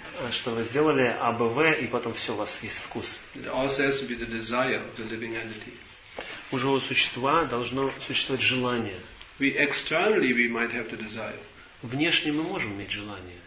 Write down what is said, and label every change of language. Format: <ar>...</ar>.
<ru>Что вы сделали А, Б, В, и потом все, у вас есть вкус.</ru> <en>It also has to be the desire of the living entity.</en> <ru>У живого существа должно существовать желание.</ru> <en>We externally we might have the desire.</en> <ru>Внешне мы можем иметь желание.</ru>